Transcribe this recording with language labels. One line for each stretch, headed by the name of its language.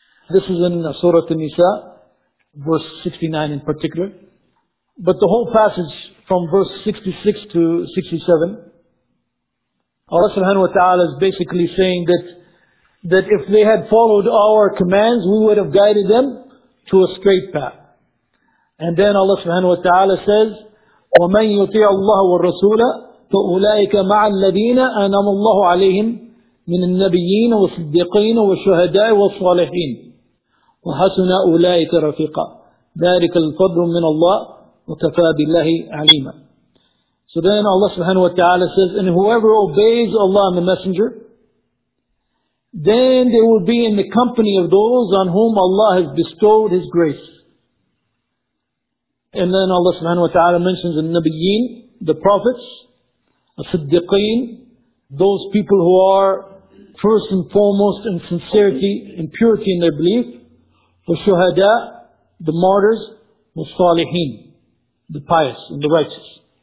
English: This is in Surah An-Nisa, verse 69 in particular. But the whole passage from verse 66 to 67, Allah subhanahu wa ta'ala is basically saying that if they had followed our commands, we would have guided them to a straight path. And then Allah subhanahu wa ta'ala says,
Arabic: وَمَنْ يُطِعَ اللَّهُ وَالرَّسُولَ فَأُولَٰئِكَ مَعَ الَّذِينَ أَنَمُ اللَّهُ عَلَيْهِمْ مِنَ النَّبِيِّينَ وَالصِّدِّقِينَ وَالشُّهَدَاءِ وَالصَّالِحِينَ وَحَسُنَ أُولَٰئِكَ رَفِيقًا ذَلِكَ الْفَضْلُ مِنَ اللَّهِ وَكَفَى بِاللَّهِ عَلِيمًا.
English: So then Allah subhanahu wa ta'ala says, and whoever obeys Allah and the Messenger, then they will be in the company of those on whom Allah has bestowed His grace. And then Allah subhanahu wa ta'ala mentions the Nabiyeen, the prophets, the Siddiqeen, those people who are first and foremost in sincerity and purity in their belief, the Shuhada, the martyrs, the Salihin, the pious and the righteous.